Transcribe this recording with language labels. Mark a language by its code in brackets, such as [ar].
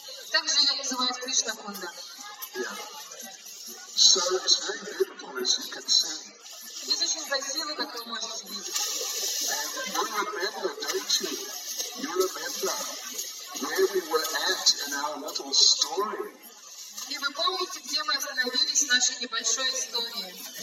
[ru] Также ее называют Кришна Кунда. [en] So it's very beautiful as you can see. It's [ru] очень красиво, как вы можете видеть. [en] You remember, don't you? You remember where we were at in our little story. [ru] И вы помните, где мы остановились в нашей небольшой истории?